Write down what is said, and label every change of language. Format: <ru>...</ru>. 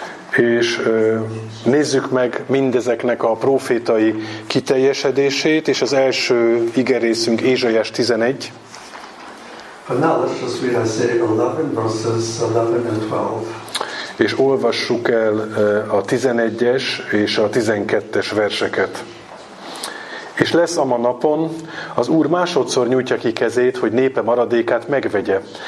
<hu>És nézzük meg mindezeknek a prófétai kiteljesedését, és az első igerészünk Ézsaiás 11.</hu> <en>But now let's just read Isaiah 11, verses 11 and 12.</en> <hu>És olvassuk el a 11-es és a 12-es verseket. És lesz ama napon, az Úr másodszor nyújtja ki kezét, hogy népe maradékát megvegye.</hu>